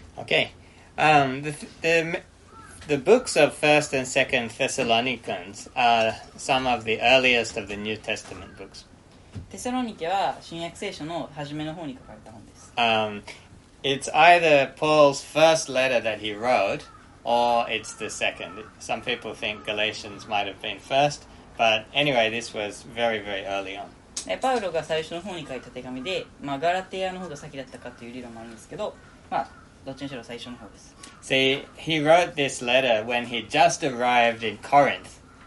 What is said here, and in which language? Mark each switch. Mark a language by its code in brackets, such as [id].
[en] Okay, the books of 1st and 2nd Thessalonians are some of the earliest of the New Testament books. [ja] テセロニケは新約聖書の初めの方に書かれた本です。 [en] It's either Paul's first letter that he wrote,Or it's the second. Some people think Galatians might have been first, but anyway, this was very, very early on. [ja] パウロが最初の方に書いた手紙で、まあ、ガラテヤの方が先だったかという理論もあるんですけど、まあ、どっちにしろ最初の方です。 [en] See, he wrote this letter when he just arrived in Corinth.